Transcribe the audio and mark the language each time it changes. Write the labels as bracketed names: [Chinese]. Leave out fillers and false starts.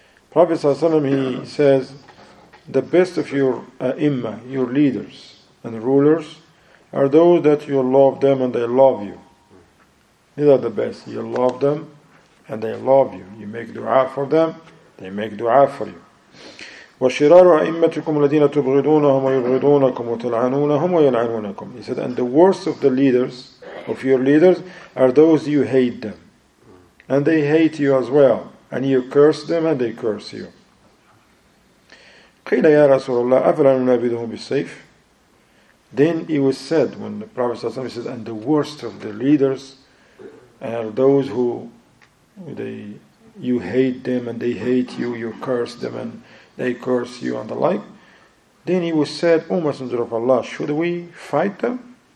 [English] Prophet [Arabic] صلى الله عليه وسلم, [English] he says, the best of your أئمة, your leaders and rulers, are those that you love them and they love you. These are the best. You love them and they love you. You make dua for them, they make dua for you. [Arabic] وشرار أئمتكم الذين تبغضونهم ويبغضونكم وتلعنونهم ويلعنونكم. [English] He said, and the worst of the leaders, of your leaders, are those you hate them. And they hate you as well. And you curse them and they curse you. [Arabic] قيل يا رسول الله أفلا ننابذهم بالسيف. [English] Then it was said, when the Prophet ﷺ said, and the worst of the leaders are those who you hate them and they hate you, you curse them and they curse you and the like. Then he was said, O Messenger of Allah, should we fight them?